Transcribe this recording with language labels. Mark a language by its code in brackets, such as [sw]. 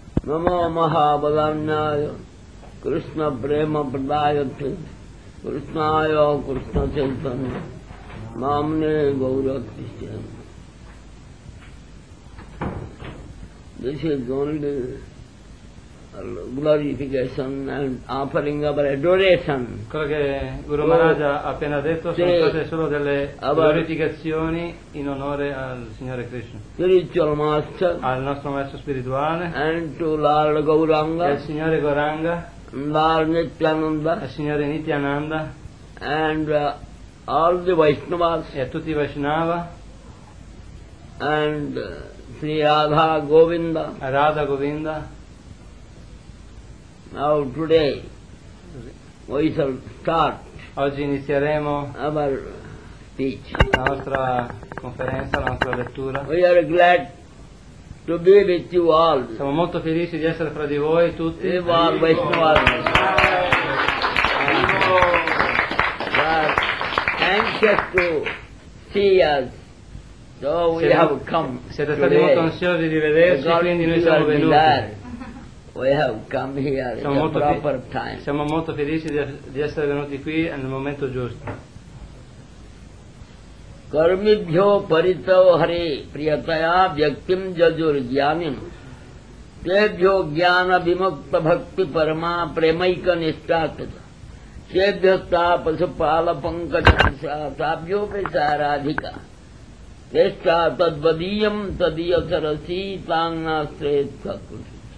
[sa] नमो महाबलान्याय कृष्ण प्रेम प्रदायते कृष्णाय Krishna Chaitanya नामने गौरवतिष्ठे [en] This is only glorification and offering of adoration. [it] Quello che Guru Maharaj ha appena detto sono state solo delle glorificazioni in onore al Signore Krishna. [en] Spiritual Master. [it] Al nostro Maestro spirituale. [en] And to Lord Gauranga. [it] E al Signore Gauranga. [en] Lord Nityananda. [it] Al Signore Nityananda. [en] And all the Vaishnavas. [it] E a tutti i Vaishnava. [en] And Sri Radha Govinda. [it] Radha Govinda. [en] Now today we shall start. [it] Oggi inizieremo [en] our speech. [it] La nostra conferenza, la nostra lettura. [en] We are glad to be with you all. [it] Siamo molto felici di essere fra di voi tutti. Viva il Vaishnava. [en] Anxious to see us. So we have come. [it] Siete stati molto ansiosi di vederci, quindi noi siamo venuti. [en] We have come here in the proper time. [it] Siamo molto felici di essere venuti qui nel momento giusto. [sa] Karmibhyo paritav hare priyataya vyaktim jajur jnanim tebhyo jnana vimukta bhakti parama premaika nishtakata tebhyo tapasa pala pankaja sa tabhyo pesaradhika tesha tadvadiyam tadiya sarasi tangna sretha kutu.